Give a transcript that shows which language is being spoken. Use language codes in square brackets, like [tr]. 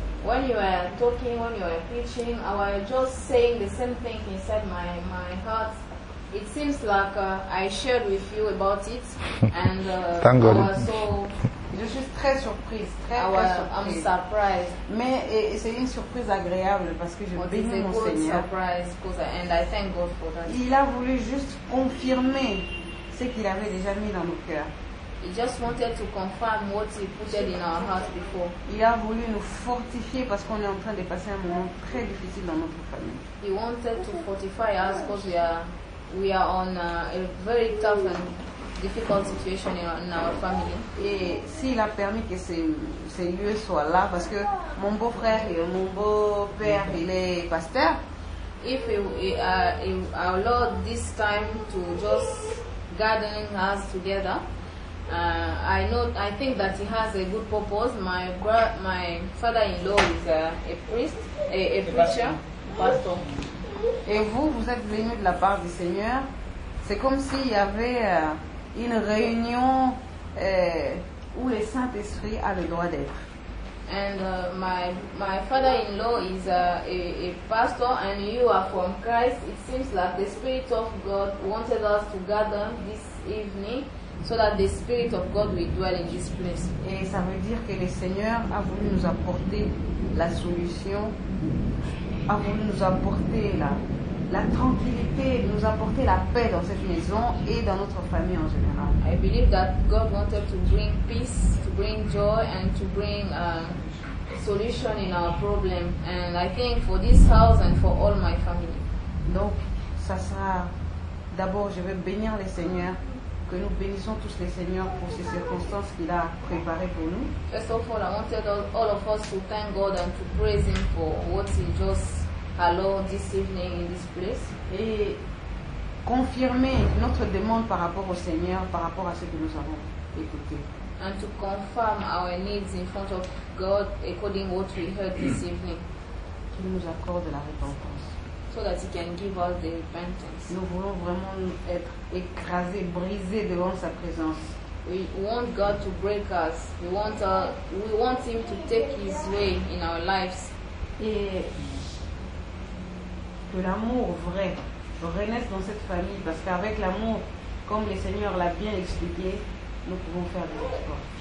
[en] When you were talking, when you were preaching, I was just saying the same thing inside my heart. It seems like I shared with you about it, and thank God. [fr] Je suis très surprise, très surprise. [en] I'm surprised. [fr] Mais et c'est une surprise agréable parce que je bénis mon Seigneur. [en] Surprise, and I thank God for that. [fr] Il a voulu juste confirmer ce qu'il avait déjà mis dans nos cœurs. [en] He just wanted to confirm what he put in our hearts before. [fr] Il a voulu nous fortifier parce qu'on est en train de passer un moment très difficile dans notre famille. [en] He wanted to fortify us because we are on a very tough and difficult situation in our family. [fr] Et s'il a permis que ces lieux soient là parce que mon beau-frère et mon beau-père, il est pasteur. [en] If our Lord this time to just gathering us together. I think that he has a good purpose. My father-in-law is a preacher, pastor. [fr] Et vous êtes venu de la part du Seigneur. C'est comme s'il y avait une réunion où le Saint-Esprit a le droit d'être. [en] And my father-in-law is a pastor, and you are from Christ. It seems like the Spirit of God wanted us to gather this evening. So that the Spirit of God will dwell in this place. [fr] Et ça veut dire que le Seigneur a voulu nous apporter la solution a voulu nous apporter la tranquillité, nous apporter la paix dans cette maison et dans notre famille en général. [en] I believe that God wanted to bring peace, to bring joy and to bring solution in our problem, and I think for this house and for all my family. [fr] Donc ça sera d'abord, je vais bénir les seigneurs, que nous bénissons tous les seigneurs pour ces circonstances qu'il a préparées pour nous. [en] First of all, I wanted all of us to thank God and to praise him for what he just allowed this evening in this place. [fr] Et confirmer notre demande par rapport au Seigneur, par rapport à ce que nous avons écouté. [en] And to confirm our needs in front of God according what we heard this evening. [fr] Qu'il nous accorde la repentance. [en] So that he can give us the repentance. [fr] Nous voulons vraiment être écrasés, brisés devant sa présence. [en] We want God to break us. We want him to take his way in our lives. [fr] Et que l'amour vrai renaisse dans cette famille, parce qu'avec l'amour, comme le Seigneur l'a bien expliqué, nous pouvons faire des efforts.